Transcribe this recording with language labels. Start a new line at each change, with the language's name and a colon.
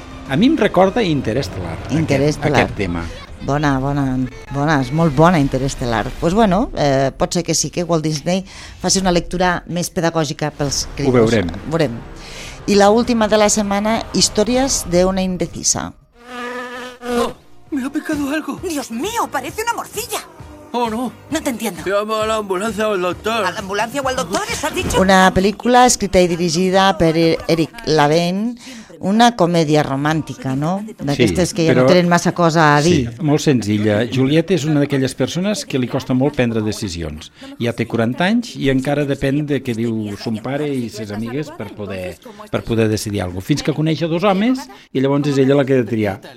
Catalan: A mi em recorda Interestelar, aquest tema. Bona, és molt bona Interestelar. Doncs pues bueno, pot ser que sí, que Walt Disney faci una lectura més pedagògica pels crios. Ho veurem. Veurem. I l'última de la setmana, històries d'una indecisa.
Spanish: Oh, me ha picado algo. Dios mío, parece una morcilla. Oh, no. No te entiendo. Llama a la ambulancia o al doctor. ¿A la ambulancia o al doctor? ¿Eso has dicho? Una película escrita y dirigida por Eric Laven.
Catalan: Una comèdia romàntica, no? D'aquestes, sí, que ja però no tenen massa cosa a dir. Sí, molt senzilla. Juliette és una d'aquelles persones que li costa molt prendre decisions. Ja té 40 anys i encara depèn de què diu son pare i ses amigues per poder decidir alguna cosa. Fins que coneix a dos homes i llavors és ella la que ha de triar.